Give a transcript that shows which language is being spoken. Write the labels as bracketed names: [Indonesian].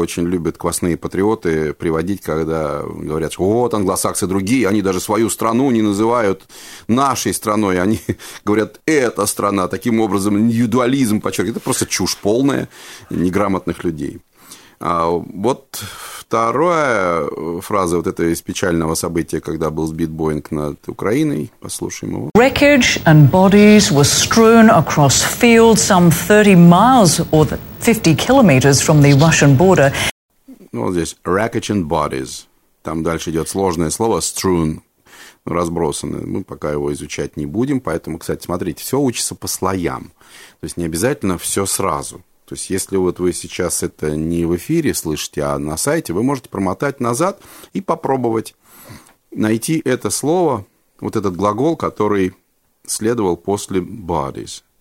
[Russian] Очень любят квасные патриоты приводить, когда говорят, что вот англосаксы другие, они даже свою страну не называют нашей страной. Они говорят, эта страна, таким образом, индивидуализм подчеркивает. Это просто чушь полная неграмотных людей. А вот вторая фраза вот этой из печального события, когда был сбит Боинг над Украиной. Послушаем его. [English] Wreckage and bodies were strewn across fields some 30 miles or 50 kilometers from the Russian border. [Russian] Ну, вот здесь [English] wreckage and bodies. [Russian] Там дальше идет сложное слово strewn, разбросаны. Мы пока его изучать не будем, поэтому, кстати, смотрите, все учится по слоям. То есть не обязательно все сразу. То есть, если вот вы сейчас это не в эфире слышите, а на сайте, вы можете промотать назад и попробовать найти это слово, вот этот глагол, который следовал после bodies.